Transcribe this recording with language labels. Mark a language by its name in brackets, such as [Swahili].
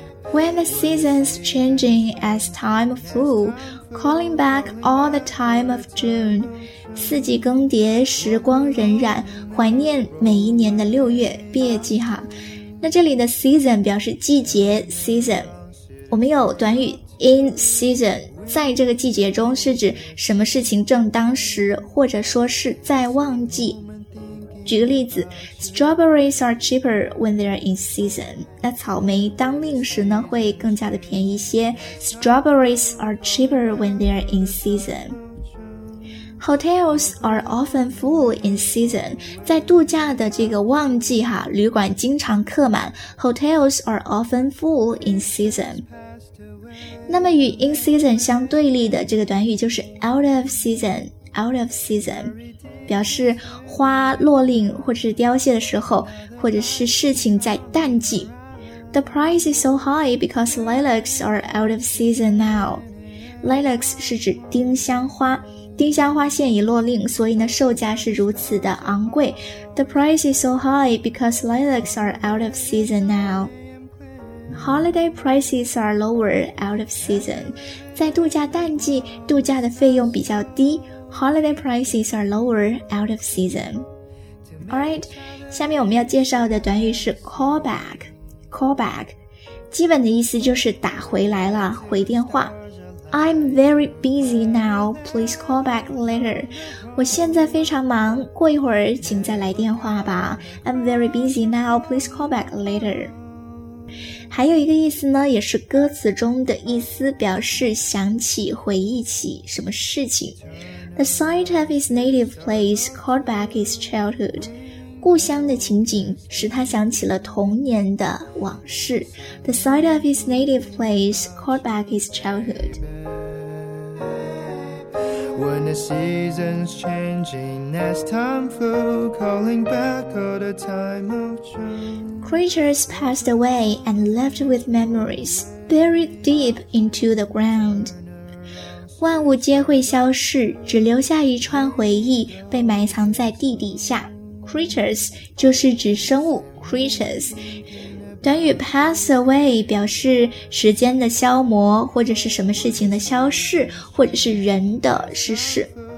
[English] When the season's changing as time flew, calling back all the time of June. [Chinese] 四季更迭，时光荏苒，怀念每一年的六月，毕业季哈。那这里的 season 表示季节 season。我们有短语 in season, 在这个季节中是指什么事情正当时，或者说是在旺季。举个例子， [English] strawberries are cheaper when they're in season. [Chinese] 那草莓当令时呢会更加的便宜一些。 [English] Strawberries are cheaper when they're in season. Hotels are often full in season. [Chinese] 在度假的这个旺季哈，旅馆经常客满。 [English] Hotels are often full in season. [Chinese] 那么与 [English] in season [Chinese] 相对立的这个短语就是 [English] out of season. Out of season. [Chinese] 表示花落令或者是凋谢的时候，或者是事情在淡季。 [English] The price is so high because lilacs are out of season now. [Chinese] Lilacs 是指丁香花，丁香花现已落令，所以呢售价是如此的昂贵。 [English] The price is so high because lilacs are out of season now. Holiday prices are lower out of season. [Chinese] 在度假淡季，度假的费用比较低。 [English] Holiday prices are lower out of season. Alright, [Chinese] 下面我们要介绍的短语是 [English] call back. [Chinese] Call back, 基本的意思就是打回来了，回电话。 [English] I'm very busy now, please call back later. [Chinese] 我现在非常忙，过一会儿请再来电话吧。 [English] I'm very busy now, please call back later. [Chinese] 还有一个意思呢，也是歌词中的意思，表示想起回忆起什么事情。 [English] The sight of his native place called back his childhood. [Chinese] 故乡的情景使他想起了童年的往事。 [English] The sight of his native place called back his childhood. When the season's changing, it's time for calling back all the time of joy Creatures passed away and left with memories buried deep into the ground. [Chinese] 万物皆会消逝，只留下一串回忆被埋藏在地底下。 Creatures 就是指生物 creatures. 短语 pass away 表示时间的消磨，或者是什么事情的消逝，或者是人的逝世。